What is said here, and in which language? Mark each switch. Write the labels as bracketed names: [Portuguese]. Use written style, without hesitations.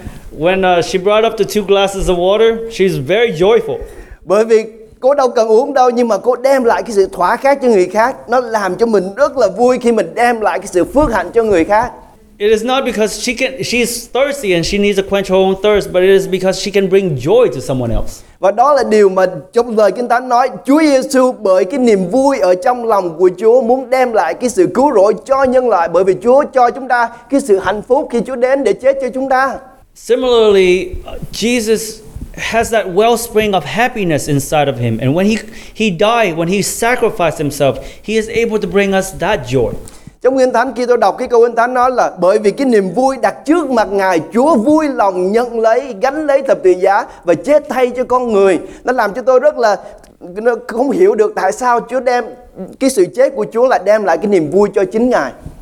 [English] When she brought up the two glasses of water, she's very joyful. [Vietnamese] Bởi vì cô đâu cần uống đâu, nhưng mà cô đem lại cái sự thỏa khát cho người khác. Nó làm cho mình rất là vui khi mình đem lại cái sự phước hạnh cho người khác. [English] It is not because she's thirsty and she needs to quench her own thirst, but it is because she can bring joy to someone else. [Vietnamese] Và đó là điều mà trong lời Kinh Thánh nói, Chúa Giêsu bởi cái niềm vui ở trong lòng của Chúa muốn đem lại cái sự cứu rỗi cho nhân loại, bởi vì Chúa cho chúng ta cái sự hạnh phúc khi Chúa đến để chết cho chúng ta. [English] Similarly, Jesus has that wellspring of happiness inside of him, and when he died, when he sacrificed himself, he is able to bring us that joy. [Vietnamese] Trong Kinh Thánh, khi tôi đọc cái câu Kinh Thánh nói là bởi vì cái niềm vui đặt trước mặt Ngài, Chúa vui lòng nhận lấy, gánh lấy thập tự giá và chết thay cho con người. Nó làm cho tôi rất là không hiểu được tại sao Chúa đem cái sự chết của Chúa lại đem lại cái niềm vui cho chính Ngài.